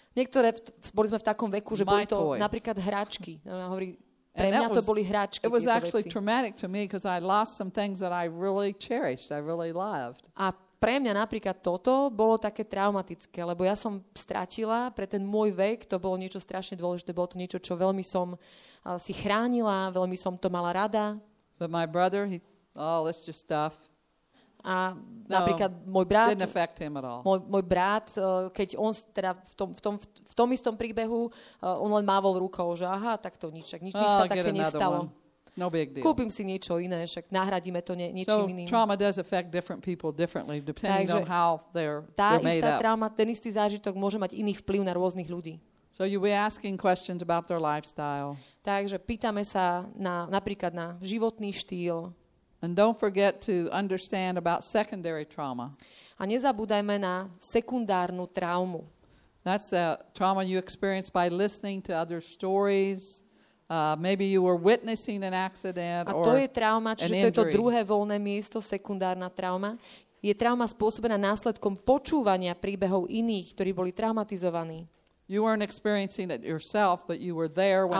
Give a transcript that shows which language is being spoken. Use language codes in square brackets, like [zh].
[sk] Niektoré boli sme v takom veku, že boli to napríklad hračky. Pre mňa to boli hračky, tieto veci. [en] It was actually traumatic to me because I lost some things that I really cherished, I really loved. [sk] Pre mňa napríklad toto bolo také traumatické, lebo ja som stratila pre ten môj vek, to bolo niečo strašne dôležité, bolo to niečo, čo veľmi som si chránila, veľmi som to mala rada. [en] But my brother, he, oh, that's just stuff. [sk] A napríklad môj brat, [en] didn't affect him at all. [sk] Môj brat, keď on teda v tom istom príbehu, on len mávol rukou, že aha, tak to nič sa také nestalo. [en] No big deal. [sk] Kúpim si niečo iné, však nahradíme to niečím iným. [en] So trauma does affect different people differently depending on how they're made up. [sk] Tá istá trauma, ten istý zážitok môže mať iný vplyv na rôznych ľudí. [en] So you be asking questions about their lifestyle. [sk] Takže pýtame sa napríklad na životný štýl. [en] And don't forget to understand about secondary trauma. [sk] A nezabúdajme na sekundárnu traumu. [en] That's the trauma you experience by listening to other stories. Maybe you were witnessing an accident or [sk] a to je trauma, čiže to je to druhé voľné miesto, sekundárna trauma. Je trauma spôsobená následkom počúvania príbehov iných, ktorí boli traumatizovaní. [en] You weren't experiencing it yourself, but you were there when